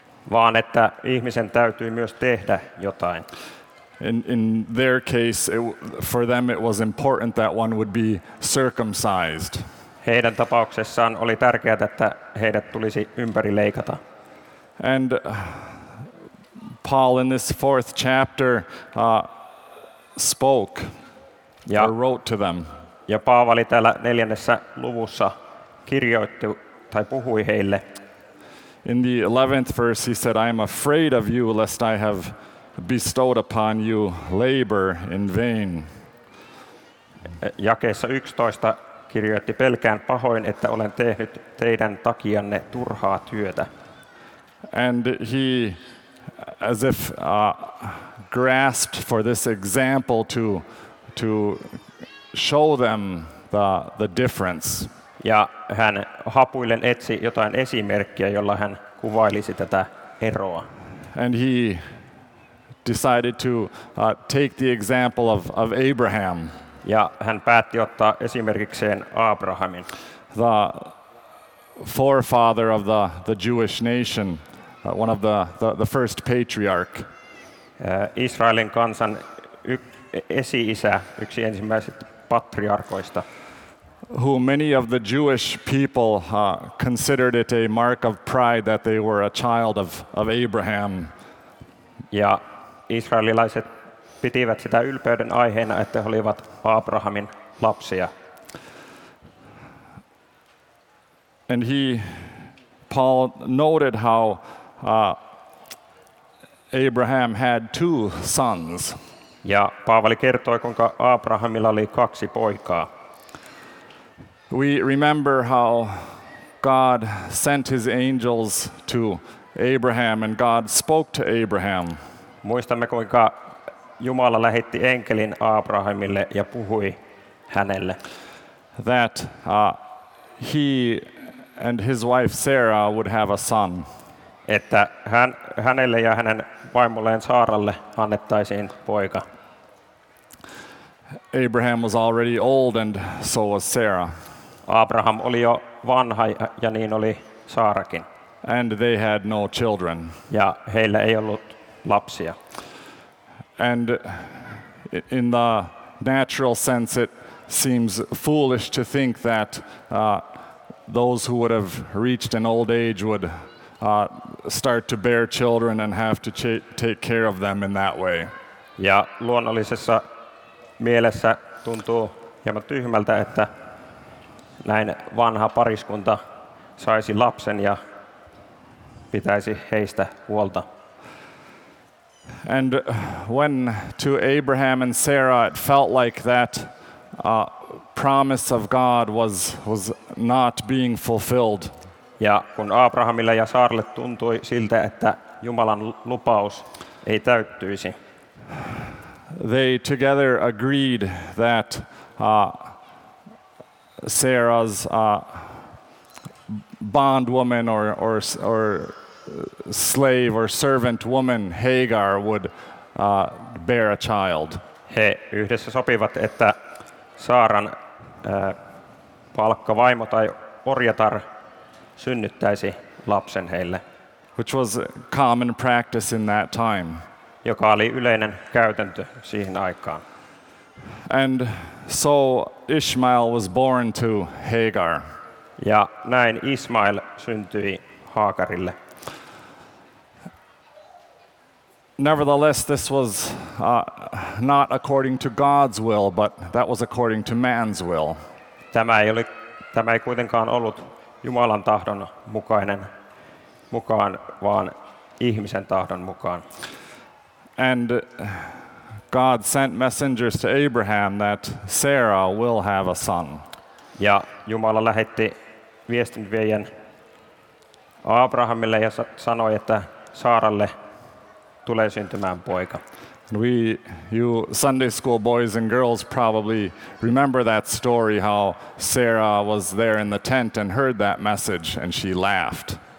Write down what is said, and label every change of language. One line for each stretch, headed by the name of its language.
Finnish: Vaan että ihmisen täytyy myös tehdä jotain.
English: In their case, for them it was important that one would be circumcised.
Finnish: Heidän tapauksessaan oli tärkeää, että heidät tulisi ympärileikata.
English: And Paul in this fourth chapter spoke or wrote to them.
Finnish: Ja Paavali täällä neljännessä luvussa kirjoitti tai puhui heille.
English: In the 11th verse he said, I am afraid of you lest I have bestowed upon you labor in vain.
Finnish: Jakeessa 11 kirjoitti, pelkään pahoin, että olen tehnyt teidän takianne turhaa työtä.
English: And he, as if grasped for this example to show them the difference.
Finnish: Ja hän hapuillen etsi jotain esimerkkiä, jolla hän kuvailisi tätä eroa.
English: And he decided to take the example of Abraham.
Finnish: Ja hän päätti ottaa esimerkikseen Abrahamin.
English: The forefather of the Jewish nation, one of the first patriarch.
Finnish: Israelin kansan esi-isä, yksi ensimmäisistä patriarkoista.
English: Who many of the Jewish people considered it a mark of pride that they were a child of Abraham.
Finnish: Ja israelilaiset pitivät sitä ylpeyden aiheena, että he olivat Abrahamin lapsia.
English: And he, Paul, noted how Abraham had two sons.
Finnish: Ja Paavali kertoi, kuinka Abrahamilla oli kaksi poikaa.
English: We remember how God sent his angels to Abraham and God spoke to Abraham.
Finnish: Muistamme, kuinka Jumala lähetti enkelin Abrahamille ja puhui hänelle.
English: That he and his wife Sarah would have a son.
Finnish: Että hänelle ja hänen vaimolleen Saaralle annettaisiin poika.
English: Abraham was already old and so was Sarah.
Finnish: Abraham oli jo vanha ja niin oli Saarakin.
English: And they had no children.
Finnish: Ja heillä ei ollut lapsia.
English: And in the natural sense it seems foolish to think that those who would have reached an old age would start to bear children and have to take care of them in that way.
Finnish: Ja luonnollisessa mielessä tuntuu hieman tyhmältä, että näin vanha pariskunta saisi lapsen ja pitäisi heistä huolta.
English: And when to Abraham and Sarah it felt like that promise of God was not being fulfilled.
Finnish: Ja kun Abrahamille ja Saaralle tuntui siltä, että Jumalan lupaus ei täyttyisi.
English: They together agreed that Sarah's bondwoman or slave or servant woman Hagar would bear a child.
Finnish: He yhdessä sopivat, että Saaran palkkavaimo tai orjatar synnyttäisi lapsen heille.
English: Which was common practice in that time.
Finnish: Joka oli yleinen käytäntö siihen aikaan.
English: And so Ishmael was born to Hagar.
Finnish: Ja näin Ismail syntyi Haakarille.
English: Nevertheless, this was not according to God's will, but that was according to man's will.
Finnish: Tämä ei kuitenkaan ollut Jumalan tahdon mukaan, vaan ihmisen tahdon mukaan.
English: And God sent messengers to Abraham that Sarah will have a son.
Finnish: Ja Jumala lähetti viestinviejän Abrahamille ja sanoi, että Saaralle tulee syntymään poika.
English: We, you Sunday school boys and girls probably remember that story how Sarah was there in the tent and heard that message and she laughed.